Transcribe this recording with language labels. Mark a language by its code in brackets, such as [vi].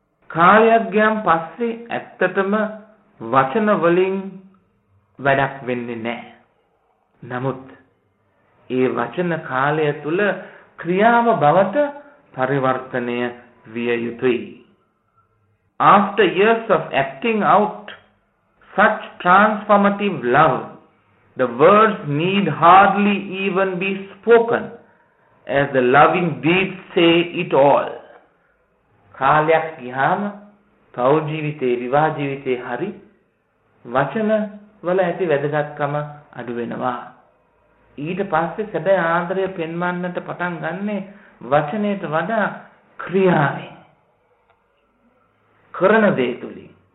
[si] කාලයක් ගියන් පස්සේ ඇත්තටම වචන වලින් වැඩක් වෙන්නේ නැහැ. නමුත් ඒ වචන කාලය තුල ක්‍රියාව බවට පරිවර්තනය විය යුතුයි. [en] After years of acting out such transformative love, the words need hardly even be spoken, as the loving deeds say it all. [si] කාලයක් ගියාම පෞ ජීවිතේ, විවාහ ජීවිතේ හරි වචන වල ඇති වැදගත්කම අඩු වෙනවා. ඊට පස්සේ සැබෑ ආදරය පෙන්වන්නට පටන් ගන්නේ වචනයට වඩා ක්‍රියාවෙන්, කරන දේ තුලින්.